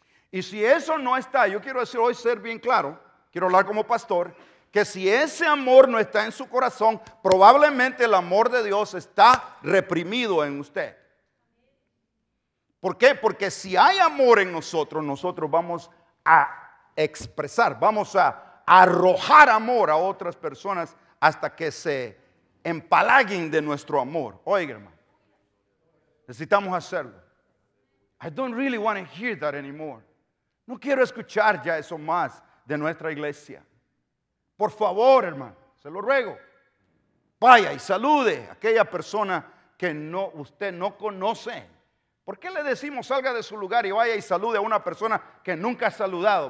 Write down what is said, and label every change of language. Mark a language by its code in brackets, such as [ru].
[es] Y si eso no está, yo quiero decir hoy, ser bien claro, quiero hablar como pastor, que si ese amor no está en su corazón, probablemente el amor de Dios está reprimido en usted. ¿Por qué? Porque si hay amor en nosotros, nosotros vamos a expresar, vamos a arrojar amor a otras personas hasta que se empalaguen de nuestro amor. Oiga, hermano, necesitamos hacerlo. [en] I don't really want to hear that anymore. [es] No quiero escuchar ya eso más de nuestra iglesia. Por favor, hermano, se lo ruego. Vaya y salude a aquella persona que no, usted no conoce. ¿Por qué le decimos salga de su lugar y vaya y salude a una persona que nunca ha saludado?